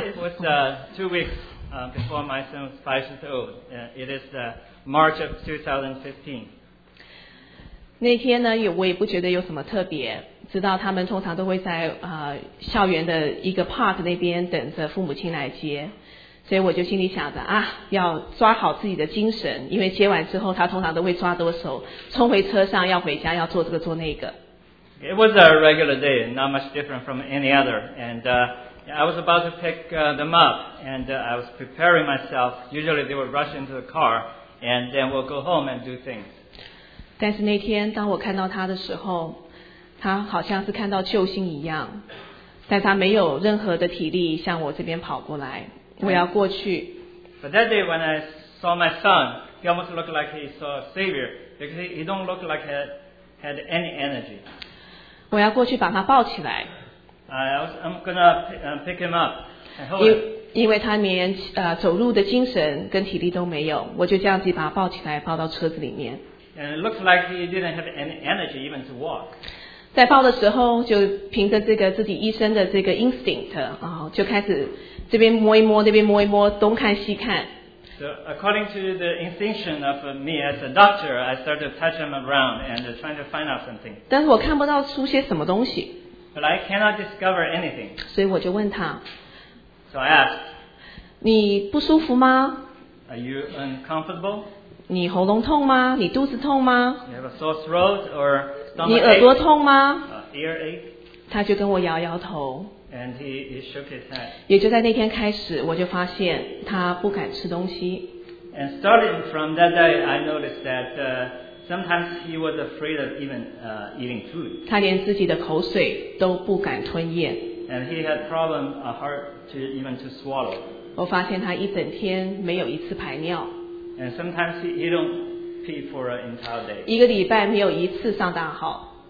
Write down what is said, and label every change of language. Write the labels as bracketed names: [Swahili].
[English] it was two weeks before my son was 5 years old. It is March of 2015. [Chinese] 那天呢，我也不觉得有什么特别，知道他们通常都会在校园的一个 park 那边等着父母亲来接，所以我就心里想着啊，要抓好自己的精神，因为接完之后他通常都会抓多手，冲回车上要回家，要做这个做那个。 [English] It was a regular day, not much different from any other. And I was about to pick them up, and I was preparing myself. Usually they would rush into the car, and then we'll go home and do things. [Chinese] 但是那天当我看到他的时候，他好像是看到救星一样，但他没有任何的体力向我这边跑过来，我要过去。 [English] But that day when I saw my son, he almost looked like he saw a savior, because he don't look like he had any energy. [Chinese] 我要过去把他抱起来。 [English] I'm gonna pick him up and hold him. [Chinese] 因为他连走路的精神跟体力都没有，我就这样子把他抱起来，抱到车子里面。 [English] And it looks like he didn't have any energy even to walk. [Chinese] 在抱的时候，就凭着这个自己一生的这个 instinct 啊，就开始这边摸一摸，那边摸一摸，东看西看。 [English] So according to the instinction of me as a doctor, I started to touch him around and trying to find out something. [Chinese] 但是我看不到出些什么东西。 [English] But I cannot discover anything. [Chinese] 所以我就问他。 [English] So I asked. [Chinese] 你不舒服吗？ [English] Are you uncomfortable? [Chinese] 你喉咙痛吗？你肚子痛吗？ [English] You have a sore throat or stomach? [Chinese] 你耳朵痛吗？ [English] Ear ache? [Chinese] 他就跟我摇摇头。 [English] And he shook his head. [Chinese] 也就在那天开始，我就发现他不敢吃东西。 [English] And starting from that day, I noticed that sometimes he was afraid of even eating food. [Chinese] 他连自己的口水都不敢吞咽。 [English] And he had problem hard to even to swallow. [Chinese] 我发现他一整天没有一次排尿。 [English] And sometimes he don't pee for an entire day. [Chinese] 一个礼拜没有一次上大号。